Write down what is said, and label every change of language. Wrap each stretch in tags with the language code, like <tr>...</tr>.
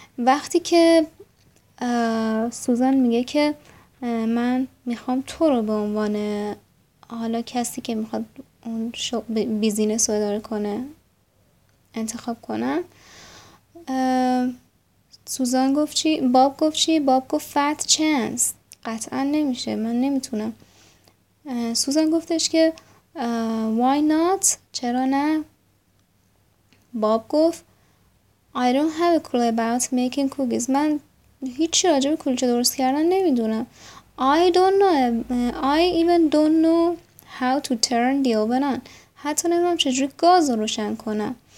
<fa>وقتی که سوزان میگه که من میخوام تو رو به عنوان حالا کسی که میخواد اون بیزینس رو اداره کنه انتخاب کنم، سوزان گفت چی؟ باب گفت چی؟ باب گفت fat chance، قطعا نمیشه، من نمیتونم. سوزان گفتش که</fa> <en>why not،</en> <fa>چرا نه. باب گفت</fa> <en>I don't have a clue about making cookies.</en> <fa>من هیچی راجع به کلوچه درست کردن نمیدونم.</fa> <en>I don't know. I even don't know how to turn the oven on.</en> <fa>حتی نمیدونم چجوری گاز رو روشن کنم.</fa>